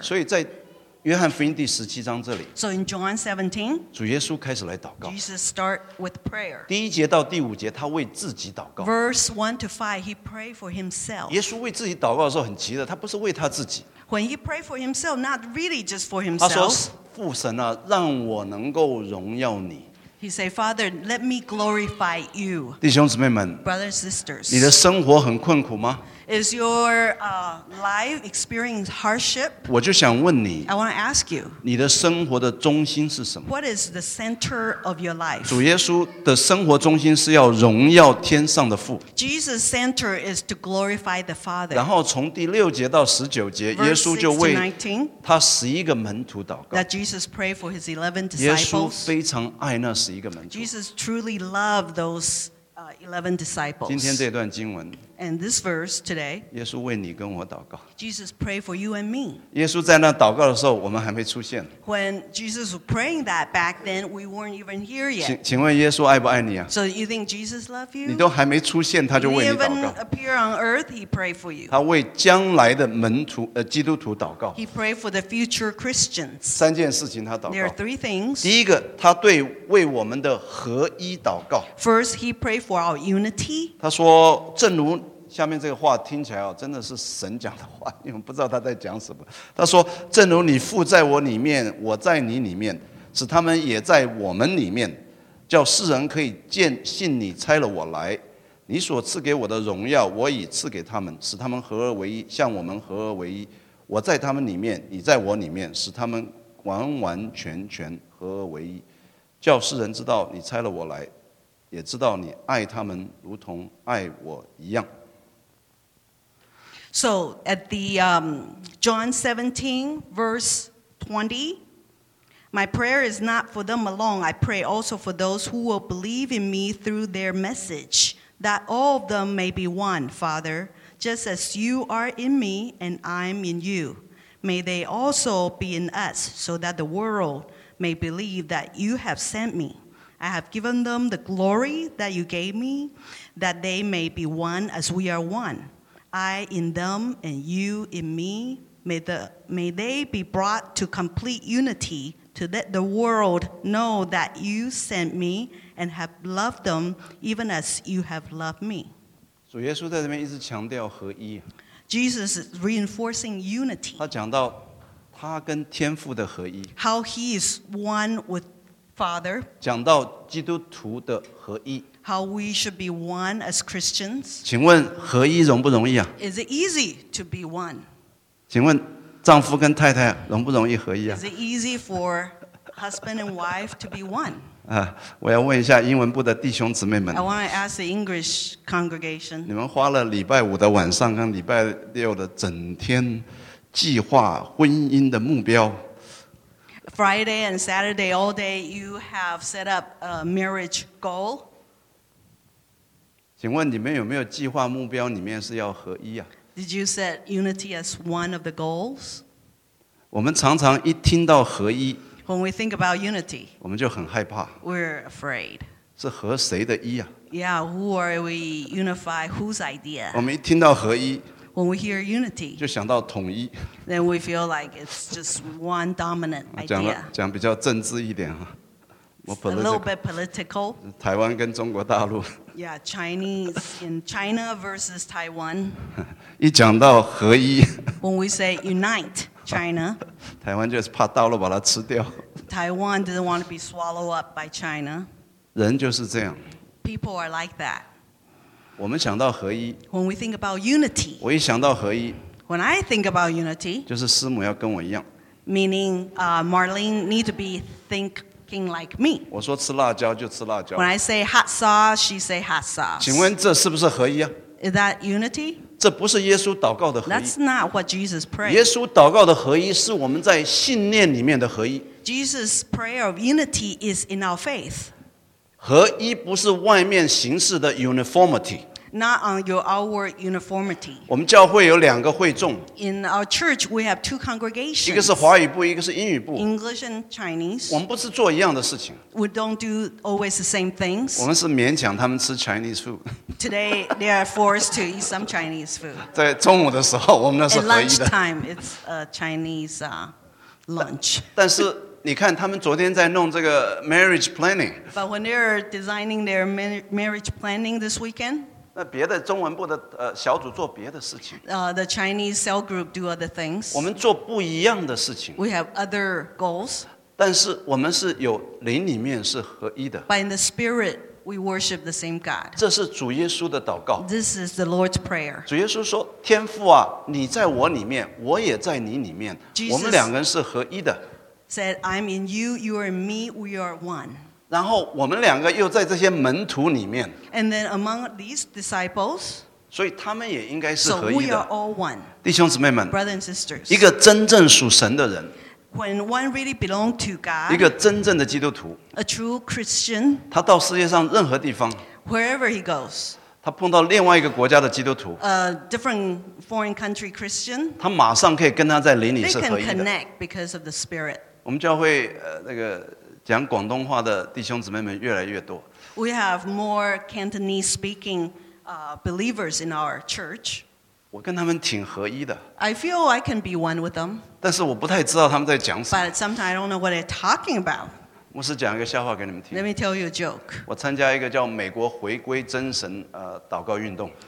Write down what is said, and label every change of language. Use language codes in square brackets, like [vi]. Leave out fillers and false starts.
[zh] 所以在约翰福音第十七章这里， [en] so in John 17, [zh] 主耶稣开始来祷告。 [en] Jesus start with prayer. [zh] 第一节到第五节，他为自己祷告。 [en] Verse 1-5, he prayed for himself. [zh] 耶稣为自己祷告的时候很急的，他不是为他自己。 [en] When he prayed for himself, not really just for himself. [zh] 他说：“父神啊，让我能够荣耀你。” [en] He said, "Father, let me glorify you." [zh] 弟兄姊妹们， [en] brothers and sisters, [zh] 你的生活很困苦吗？ [en] Is your life experiencing hardship? [zh] 我就想问你， [en] I want to ask you, [zh] 你的生活的中心是什么？ [en] What is the center of your life? [zh] 主耶稣的生活中心是要荣耀天上的父。 [en] Jesus' center is to glorify the Father. [zh] 然后从第六节到十九节，耶稣就为他十一个门徒祷告。 [en] That Jesus prayed for his 11 disciples. [zh] 耶稣非常爱那十一个门徒。 [en] Jesus truly loved those 11 disciples. [zh] 今天这段经文。 [en] And this verse today, [zh] 耶稣为你跟我祷告。 [en] Jesus prayed for you and me. [zh] 耶稣在那祷告的时候，我们还没出现。 [en] When Jesus was praying that back then, we weren't even here yet. [zh] 请问耶稣爱不爱你啊？ [en] So you think Jesus loved you? [zh] 你都还没出现，他就为你祷告。 [en] He didn't even appear on earth, he prayed for you. [zh] 他为将来的门徒，基督徒祷告。 [en] He prayed for the future Christians. [zh] 三件事情他祷告。 [en] There are three things. [zh] 第一个，他对为我们的合一祷告。 [en] First, he prayed for our unity. [zh] 他说，正如下面这个话听起来真的是神讲的话，因为不知道他在讲什么。他说，正如你父在我里面，我在你里面，使他们也在我们里面，叫世人可以见信你差了我来。你所赐给我的荣耀，我已赐给他们，使他们合而为一，像我们合而为一。我在他们里面，你在我里面，使他们完完全全合而为一，叫世人知道你差了我来，也知道你爱他们如同爱我一样。 [en] So at the John 17 verse 20, my prayer is not for them alone. I pray also for those who will believe in me through their message, that all of them may be one, Father, just as you are in me and I'm in you. May they also be in us so that the world may believe that you have sent me. I have given them the glory that you gave me, that they may be one as we are one. I in them and you in me, may they be brought to complete unity to let the world know that you sent me and have loved them even as you have loved me. [zh] 主耶稣在这边一直强调合一。 [en] Jesus is reinforcing unity. [zh] 他讲到他跟天父的合一。 [en] How he is one with Father. [zh] 讲到基督徒的合一。 [en] How we should be one as Christians. [zh] 请问合一容不容易啊？ [en] Is it easy to be one? [zh] 请问丈夫跟太太容不容易合一啊？ [en] Is it easy for husband and wife to be one? [zh] 我要问一下英文部的弟兄姊妹们。 [en] I want to ask the English congregation. [zh] 你们花了礼拜五的晚上跟礼拜六的整天计划婚姻的目标。 [en] Friday and Saturday all day you have set up a marriage goal. [zh] 请问你们有没有计划目标里面是要合一啊？ [en] Did you set unity as one of the goals? [zh] 我们常常一听到合一， [en] When we think about unity, [zh] 我们就很害怕。 [en] We're afraid. [zh] 是和谁的一啊？ [en] Yeah, who are we unify? Whose idea? [zh] 我们一听到合一， [en] When we hear unity, [zh] 就想到统一。 [en] Then we feel like it's just one dominant idea. [zh] 讲比较政治一点啊。 [en] A little bit political. [zh] 台湾跟中国大陆。 [en] Yeah, Chinese in China versus Taiwan. [zh] 一讲到合一。 [en] When we say unite China. [zh] 台湾就是怕大陆把它吃掉。 [en] Taiwan doesn't want to be swallowed up by China. [zh] 人就是这样。 [en] People are like that. [zh] 我们想到合一。 [en] When we think about unity. [zh] 我一想到合一。 [en] When I think about unity, [zh] 就是师母要跟我一样。 [en] Meaning, Marlene need to be thinking like me. [zh] 我说吃辣椒就吃辣椒。 [en] When I say hot sauce, she say hot sauce. [zh] 请问这是不是合一啊？ [en] Is that unity? [zh] 这不是耶稣祷告的合一。 [en] That's not what Jesus prayed. [zh] 耶稣祷告的合一是我们在信念里面的合一。 [en] Jesus' prayer of unity is in our faith. [zh] 合一不是外面形式的 uniformity。 [en] Not on your outward uniformity. [zh] 我们教会有两个会众。 [en] In our church, we have two congregations. [zh] 一个是华语部，一个是英语部。 [en] English and Chinese. [zh] 我们不是做一样的事情。 [en] We don't do always the same things. [zh] 我们是勉强他们吃 [en] Chinese food. Today, they are forced to eat some Chinese food. [zh] 在中午的时候，我们那是合一的。 [en] At lunchtime, it's a Chinese lunch. [zh] 但是你看，他们昨天在弄这个 [en] marriage planning. But when they are designing their marriage planning this weekend. [zh] 那别的中文部的小组做别的事情。 [en] The Chinese cell group do other things. [zh] 我们做不一样的事情。 [en] We have other goals. [zh] 但是我们是有灵里面是合一的。 [en] But in the spirit, we worship the same God. [zh] 这是主耶稣的祷告。 [en] This is the Lord's prayer. [zh] 主耶稣说：“天父啊，你在我里面，我也在你里面，我们两个人是合一的。” [en] Said, "I'm in you, you are in me, we are one." [zh] 然后我们两个又在这些门徒里面 [en] And then among these disciples, [zh] 所以他们也应该是合一的 [en] So we are all one, [zh] 弟兄姊妹们 [en] brothers and sisters, [zh] 一个真正属神的人 [en] When one really belongs to God, [zh] 一个真正的基督徒 [en] A true Christian, [zh] 他到世界上任何地方 [en] Wherever he goes, [zh] 他碰到另外一个国家的基督徒 [en] A different foreign country Christian, [zh] 他马上可以跟他在灵里是合一的 [en] They can connect because of the spirit [zh] 我们教会那个讲广东话的弟兄姊妹们越来越多。 [en] We have more Cantonese speaking believers in our church. [zh] 我跟他们挺合一的。 [en] I feel I can be one with them. [zh] 但是我不太知道他们在讲什么。 [en] But sometimes I don't know what they're talking about. [zh] 我是讲一个笑话给你们听。 [en] Let me tell you a joke. [zh] 我参加一个叫美国回归真神祷告运动。